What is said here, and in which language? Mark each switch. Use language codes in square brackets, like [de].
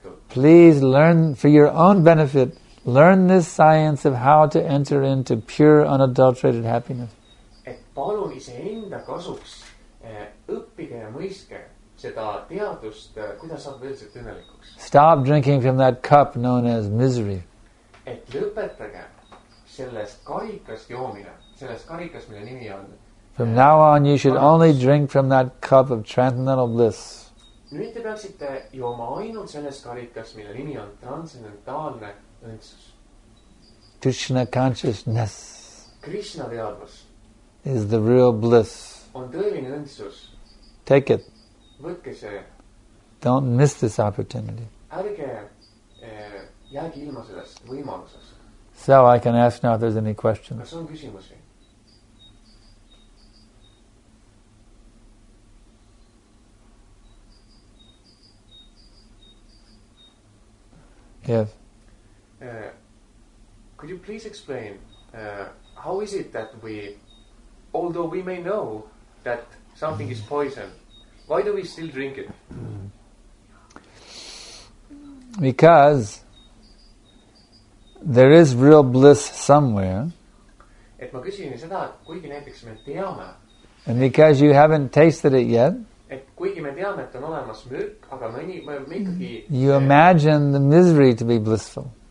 [en] Please learn for your own benefit. Learn this science of how to enter into pure, unadulterated happiness. [et] Et palun iseenda kasuks õppige ja mõiske seda teadust, kuidas saab üldiselt õnnelikuks. [en] Stop drinking from that cup known as misery. [et] Et lõpetage sellest karikast joomine, sellest karikast, mille nimi on. [en] From now on you should only drink from that cup of transcendental bliss. [et] Nüüd te peaksite jooma ainult sellest karikast, mille nimi on transcendentaalne õndsus. [en] Krishna consciousness. [et] Krishna teadvus. [en] Is the real bliss. [et] On tõeline õndsus. [en] Take it. [et] Võtke see. [en] Don't miss this opportunity. [et] Ärge jäägi ilma sellest võimalusest. [en] So I can ask now if there's any questions. [et] Kas on küsimusi? [en] Yes. Could you please explain how is it that we, although we may know that something is poison, why do we still drink it? Because there is real bliss somewhere. [et] Et ma küsin seda, kuigi näiteks me teame. [en] And because you haven't tasted it yet, [et] et kuigi me teame, et on olemas mürk, aga me ikkagi, [en] you imagine the misery to be blissful.